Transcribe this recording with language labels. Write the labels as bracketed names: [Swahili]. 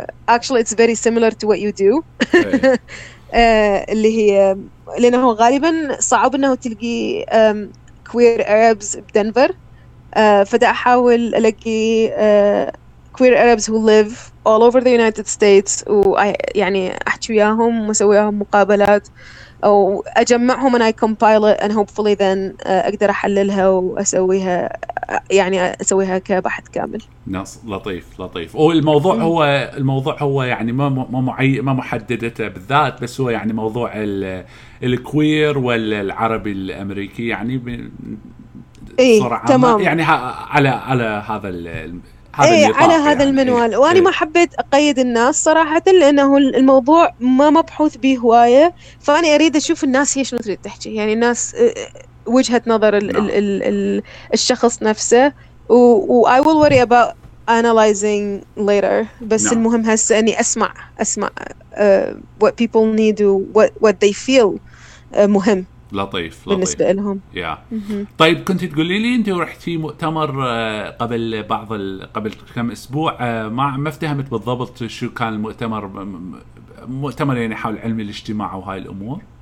[English] Actually it's very similar to what you do. [Arabic] اللي هي لانه غالبا صعب انه تلقي كوير عربز بدنفر، فدا احاول الاقي [English] queer Arabs who live all over the United States [Arabic] و يعني أحكي وياهم وسويهم مقابلات أو أجمعهم [English] and I compile it and hopefully then [Arabic] أقدر أحللها وأسويها يعني أسويها كبحث كامل. نص لطيف لطيف. والموضوع هو الموضوع هو يعني ما محددته بالذات، بس هو يعني موضوع الكوير والعربي الأمريكي يعني بصورة عامة تمام. يعني على هذا على هذا المنوال وأنا ما حبيت أقيد الناس صراحة لأنه الموضوع ما مبحوث به هواية، فأنا أريد أشوف الناس هي شنو تريد تحكي يعني الناس وجهة نظر الشخص نفسه [English] I will worry about analyzing later. [Arabic] بس [English] no. [Arabic] المهم هسه أني أسمع [English] what people need and what they feel [Arabic] مهم. لطيف بالنسبة لطيف. لهم. [English] Yeah. Mm-hmm. [Arabic] طيب كنت تقولي لي أنت رحتي مؤتمر قبل بعض قبل كم أسبوع ما افتهمت بالضبط شو كان المؤتمر مؤتمر يعني حول علم الاجتماع وهاي الأمور.